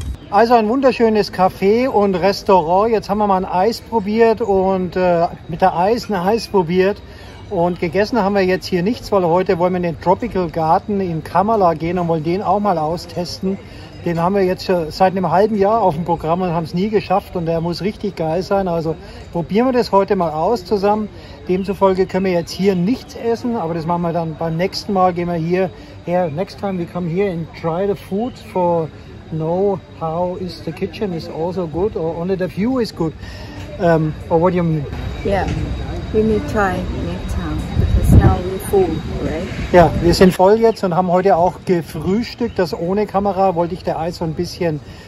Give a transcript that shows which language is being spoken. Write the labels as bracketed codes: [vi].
[de] Also ein wunderschönes Café und Restaurant, jetzt haben wir mal ein Eis probiert und mit der Eis ein Eis probiert und gegessen haben wir jetzt hier nichts, weil heute wollen wir in den Tropical Garden in Kamala gehen und wollen den auch mal austesten. Den haben wir jetzt seit einem halben Jahr auf dem Programm und haben es nie geschafft. Und der muss richtig geil sein. Also probieren wir das heute mal aus zusammen. Demzufolge können wir jetzt hier nichts essen. Aber das machen wir dann beim nächsten Mal. Gehen wir hier her. [en] Next time we come here and try the food for know how is the kitchen is also good or only the view is good. Or what do you mean? Yeah, we need to try next time because now we're full, right? [de] Ja, wir sind voll jetzt und haben heute auch gefrühstückt, das ohne Kamera, wollte ich der Eis so ein bisschen